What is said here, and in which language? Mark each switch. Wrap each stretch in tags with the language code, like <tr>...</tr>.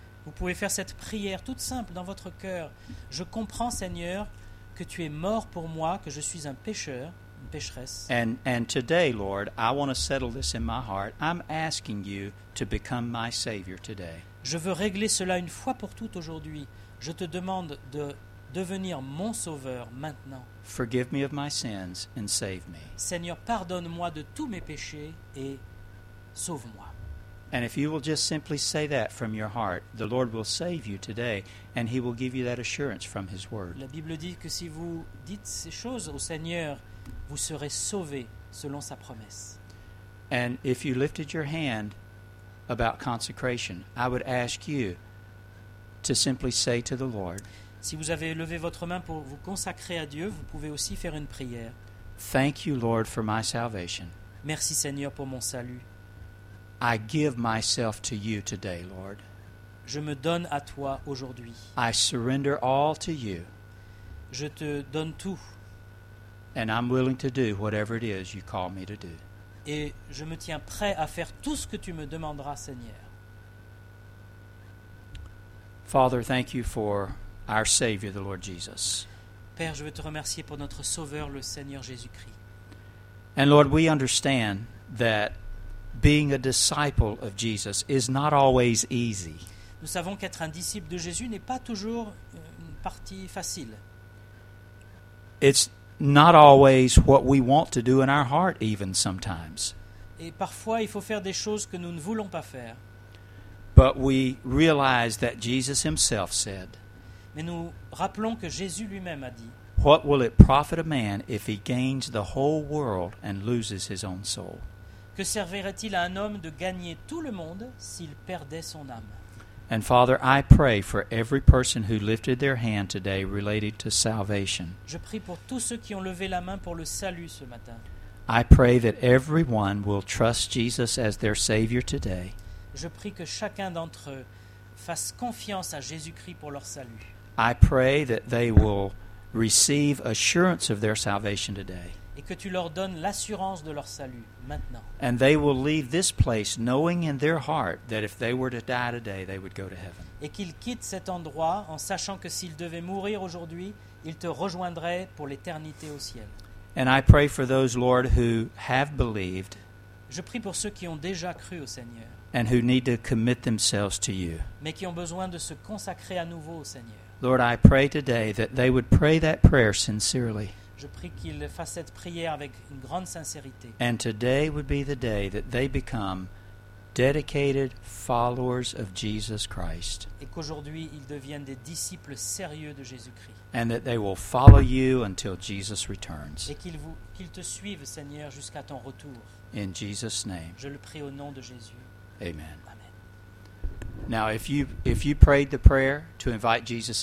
<fr>Vous pouvez faire cette prière toute simple dans votre cœur. Je comprends, Seigneur, que tu es mort pour moi, que je suis un pécheur, une pécheresse.</fr> <en>And today, Lord, I want to settle this in my heart. I'm asking you to become my Savior today.</en> <fr>Je veux régler cela une fois pour toutes aujourd'hui. Je te demande de devenir mon sauveur maintenant.</fr> <en>Forgive me of my sins and save me.</en> <fr>Seigneur, pardonne-moi de tous mes péchés et sauve-moi.</fr> <en>And if you will just simply say that from your heart, the Lord will save you today, and he will give you that assurance from his word.</en> <fr>La Bible dit que si vous dites ces choses au Seigneur, vous serez sauvés selon sa promesse.</fr> <en>And if you lifted your hand about consecration, I would ask you to simply say to the Lord,</en> <fr>si vous avez levé votre main pour vous consacrer à Dieu, vous pouvez aussi faire une prière.</fr> <en>Thank you, Lord, for my salvation.</en> <fr>Merci, Seigneur, pour mon salut.</fr> <en>I give myself to you today, Lord.</en> <fr>Je me donne à toi aujourd'hui.</fr> <en>I surrender all to you.</en> <fr>Je te donne tout.</fr> <en>And I'm willing to do whatever it is you call me to do.</en> <fr>Et je me tiens prêt à faire tout ce que tu me demanderas, Seigneur.</fr> <en>Father, thank you for our Savior, the Lord Jesus.</en> <fr>Père, je veux te remercier pour notre Sauveur, le Seigneur Jésus-Christ.</fr> <en>And Lord, we understand that being a disciple of Jesus is not always easy.</en> <fr>Nous savons qu'être un disciple de Jésus n'est pas toujours une partie facile.</fr> <en>It's not always what we want to do in our heart, even sometimes.</en> <fr>Et parfois, il faut faire des choses que nous ne voulons pas faire.</fr> <en>But we realize that Jesus himself said,</en> <fr>mais nous rappelons que Jésus lui-même a dit,</fr> <en>what will it profit a man if he gains the whole world and loses his own soul?</en> <fr>Que servirait-il à un homme de gagner tout le monde s'il perdait son âme?</fr> <en>And Father, I pray for every person who lifted their hand today related to salvation.</en> <fr>Je prie pour tous ceux qui ont levé la main pour le salut ce matin.</fr> <en>I pray that everyone will trust Jesus as their Savior today.</en> <fr>Je prie que chacun d'entre eux fasse confiance à Jésus-Christ pour leur salut.</fr> <en>I pray that they will receive assurance of their salvation today.</en> <fr>et que tu leur donnes l'assurance de leur salut maintenant.</fr> <en>And they will leave this place knowing in their heart that if they were to die today, they would go to heaven.</en> <fr>Et qu'ils quittent cet endroit en sachant que s'ils devaient mourir aujourd'hui, ils te rejoindraient pour l'éternité au ciel.</fr> <en>And I pray for those, Lord, who have believed.</en> <fr>Je prie pour ceux qui ont déjà cru au Seigneur.</fr> <en>And who need to commit themselves to you.</en> <fr>Mais qui ont besoin de se consacrer à nouveau au Seigneur.</fr> <en>Lord, I pray today that they would pray that prayer sincerely.</en> <fr>Je prie qu'ils fassent cette prière avec une grande sincérité.</fr> <en>And today would be the day that they become dedicated followers of Jesus Christ.</en> <fr>Et qu'aujourd'hui ils deviennent des disciples sérieux de Jésus-Christ.</fr> <en>And that they will follow you until Jesus returns.</en> <fr>Et qu'ils te suivent, Seigneur, jusqu'à ton retour.</fr> <en>In Jesus' name.</en> <fr>Je le prie au nom de Jésus.</fr> <en>Amen. Amen. Now, if you prayed the prayer to invite Jesus in.</en>